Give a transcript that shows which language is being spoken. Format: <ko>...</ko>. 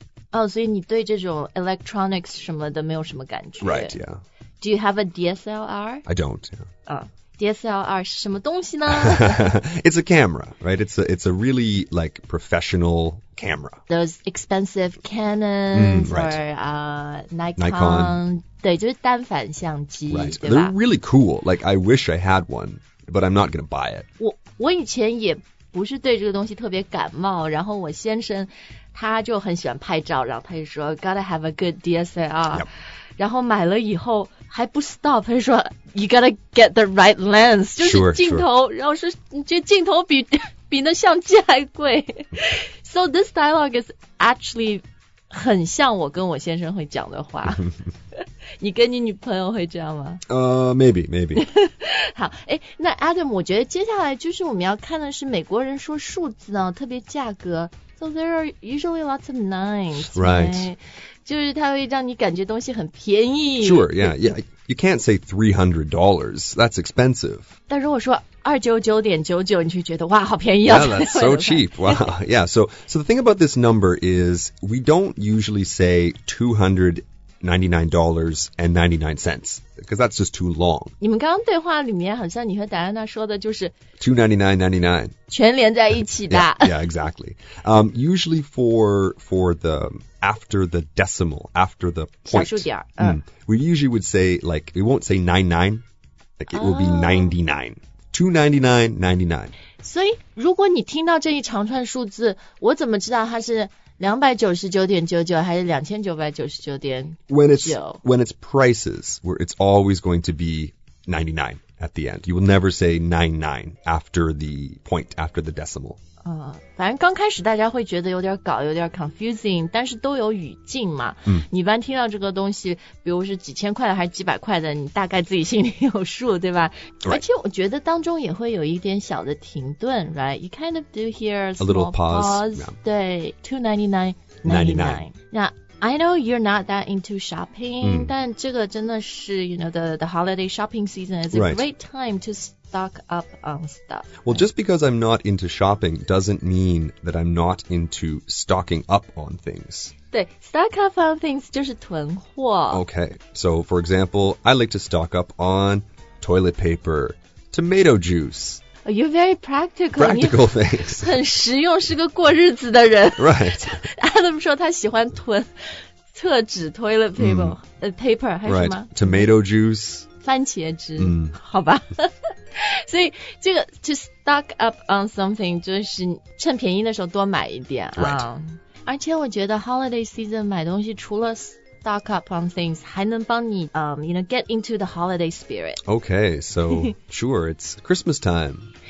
<zh>哦、oh, 所以你对这种 electronics 什么的没有什么感觉</zh> <en>Right, yeah Do you have a DSLR? I don't, yeah、oh.</en> <zh>DSLR 是什么东西呢?</zh> <en>It's a camera, right? It's a really like professional camera. Those expensive Canon or Nikon.</en> <zh>对，就是单反相机。</zh> <en>Right. They're really cool. Like I wish I had one, but I'm not gonna buy it.</en> <zh>我以前也不是对这个东西特别感冒，然后我先生他就很喜欢拍照，然后他就说</zh> <en>Gotta have a good DSLR.、 Yep.</en> <zh>然后买了以后还不 stop, 他就说</zh> <en>you gotta get the right lens,</en> <zh>就是镜头</zh> <en>sure, sure.</en> <zh>然后说你这镜头比那相机还贵。</zh> <en>So this dialogue is actually</en> <zh>很像我跟我先生会讲的话。你跟你女朋友会这样吗</zh> <en>maybe.</en> <zh>好诶那 Adam, 我觉得接下来就是我们要看的是美国人说数字呢特别价格。</zh> <en>So there are usually lots of nines. Right.</en> <zh>就是它会让你感觉东西很便宜。</zh> <en>Sure, yeah, yeah. You can't say $300. That's expensive.</en> <zh>但如果说299.99，你就觉得哇，好便宜啊。</zh> <en>Yeah, that's so cheap. Wow. Yeah. So the thing about this number is we don't usually say $299.99 because that's just too long.</en> <zh>你们刚刚对话里面好像你和戴安娜说的就是</zh> <en>$299.99，</en> <zh>全连在一起的。</zh> <en>yeah, exactly. Usually for the after the decimal, after the point,</en> <zh>小数点、</zh> <en>we usually would say like we won't say 99, like it will be 99, $299.99.</en> <zh>所以如果你听到这一长串数字，我怎么知道它是？ 299.99还是2999.99</zh> <en>When it's prices, where it's always going to be 99 at the end. You will never say 99 after the point, after the decimal.</en> <zh>反正刚开始大家会觉得有点搞，有点 confusing, 但是都有语境嘛。你一般听到这个东西，比如是几千块的还是几百块的，你大概自己心里有数，对吧</zh> <en>？Right.</en> <zh>而且我觉得当中也会有一点小的停顿，right?</zh> <en>You kind of do hear a little pause. Yeah. 对，$299.99. I know you're not that into shopping,</en> <zh>但这个真的是</zh> <en>you know, the holiday shopping season is a great time to stock up on stuff. Well, right? just because I'm not into shopping doesn't mean that I'm not into stocking up on things.</en> <zh>对 ,</zh> <en>stock up on things</en> <zh>就是囤货。</zh> <en>Okay, so for example, I like to stock up on toilet paper, tomato juice. Oh, you're very practical. Practical things.</en> <zh>很实用，是个过日子的人。</zh> <en>Right.</en> <zh>Adam 说他喜欢囤厕纸 toilet paper,、paper 还是什么</zh> <en>？Right. Tomato juice.</en> <zh>番茄汁。好吧。所以这个</zh> <en>to stock up on something</en> <zh>就是趁便宜的时候多买一点啊。</zh> <en>Right.</en> <zh>而且我觉得 holiday season 买东西除了 stock up on things 还能帮你</zh> <en>you know, get into the holiday spirit. Okay, so sure, it's Christmas time.</en>